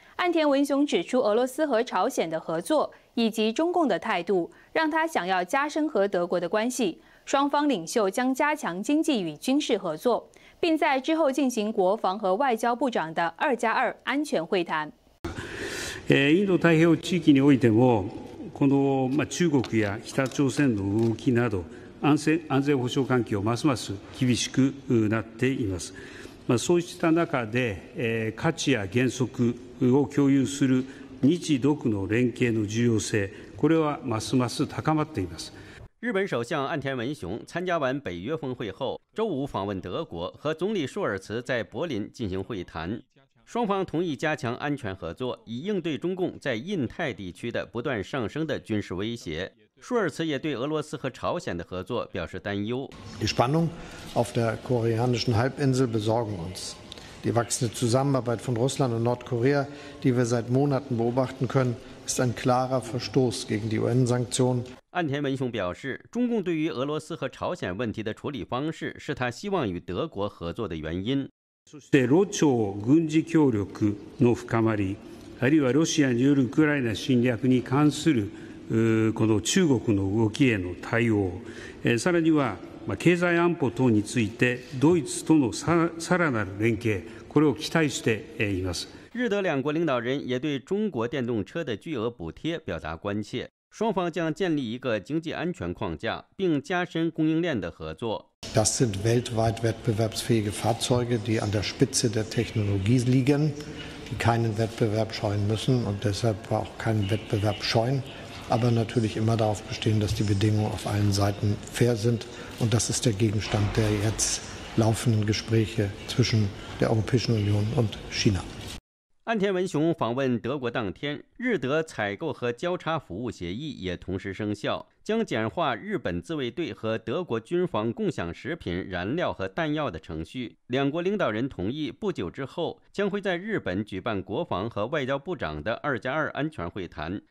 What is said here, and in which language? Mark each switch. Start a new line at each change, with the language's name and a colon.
Chinese: 岸田文雄指出，俄罗斯和朝鲜的合作以及中共的态度，让他想要加深和德国的关系。双方领袖将加强经济与军事合作，并在之后进行国防和外交部长的二加二安全会谈。
Japanese: インド太平洋地域においても、この中国や北朝鮮の動きなど、安全保障環境をますます厳しくなっています。そうした中で、価値や原則を共有する日独の連携の重要性、これはますます高まっています。
Chinese: 日本首相岸田文雄参加完北约峰会后，周五访问德国，和总理舒尔茨在柏林进行会谈。双方同意加强安全合作，以应对中共在印太地区的不断上升的军事威胁。舒尔茨也对俄罗斯和朝鲜的合作表示担忧。
German: Die Spannung auf der koreanischen Halbinsel besorgen uns. Die wachsende Zusammenarbeit von Russland und Nordkorea, die wir seit Monaten beobachten können, ist ein klarer Verstoß gegen die UN-Sanktionen.
Chinese: 岸田文雄表示，中共对于俄罗斯和朝鲜问题的处理方式是他希望与德国合作的原因。
Japanese: そして、ロ朝軍事協力の深まり、あるいはロシアによるウクライナ侵略に関するこの中国の動きへの対応、さらには経済安保等についてドイツとのさらなる連携、これを期待しています。
Chinese: 日德两国领导人也对中国电动车的巨额补贴表达关切，双方将建立一个经济安全框架，并加深供应链的合作。
German: Das sind weltweit wettbewerbsfähige Fahrzeuge, die an der Spitze der Technologie liegen, die keinen Wettbewerb scheuen müssen und deshalb auch keinen Wettbewerb scheuen, aber natürlich immer darauf bestehen, dass die Bedingungen auf allen Seiten fair sind. Und das ist der Gegenstand der jetzt laufenden Gespräche zwischen der Europäischen Union und China.
Chinese: 岸田文雄访问德国当天，日德采购和交叉服务协议也同时生效，将简化日本自卫队和德国军方共享食品、燃料和弹药的程序。两国领导人同意，不久之后将会在日本举办国防和外交部长的二加二安全会谈。